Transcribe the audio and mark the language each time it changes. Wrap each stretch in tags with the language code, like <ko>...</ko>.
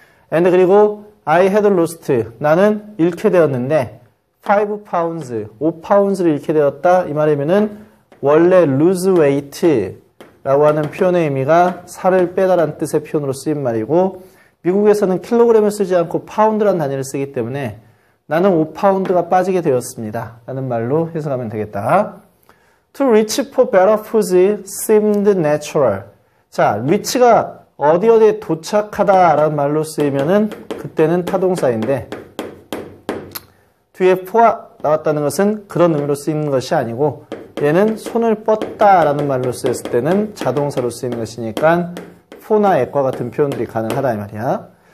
<en>And</en> <ko>그리고</ko> <en>I had lost,</en> <ko>나는 잃게 되었는데, 5 pounds, 5 pounds를 잃게 되었다. 이 말이면은 원래 lose weight라고 하는 표현의 의미가 살을 빼다라는 뜻의 표현으로 쓰인 말이고, 미국에서는 킬로그램을 쓰지 않고 파운드라는 단위를 쓰기 때문에 나는 5 pounds가 빠지게 되었습니다. 라는 말로 해석하면 되겠다.</ko> <en>To reach for better foods seemed natural.</en> <ko>자, reach가 어디 어디에 도착하다라는 말로 쓰이면은 그때는 타동사인데 뒤에 for가 나왔다는 것은 그런 의미로 쓰이는 것이 아니고 얘는 손을 뻗다라는 말로 쓰였을 때는 자동사로 쓰이는 것이니까 for나 at과 같은 표현들이 가능하다 이 말이야.</ko>